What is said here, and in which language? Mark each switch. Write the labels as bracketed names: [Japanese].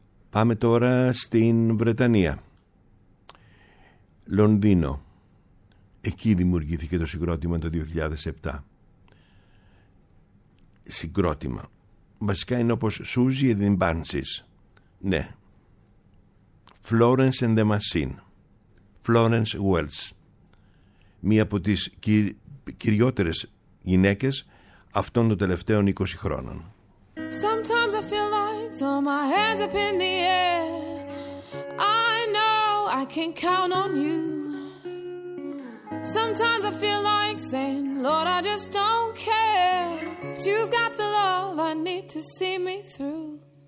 [Greek] Πάμε τώρα στην Βρετανία, Λονδίνο. Εκεί δημιουργήθηκε το συγκρότημα το 2007. Συγκρότημα βασικά είναι όπως Suzy and the Banshees. Ναι, Florence and the Machine. Florence Wells, μία από τις κυριότερες γυναίκες αυτών των τελευταίων 20 χρόνων. [English] Sometimes I feel like throw my hands up in the air. I know I can count on you. Sometimes I feel like saying, Lord, I just don't care. But you've got the love I need to see me through.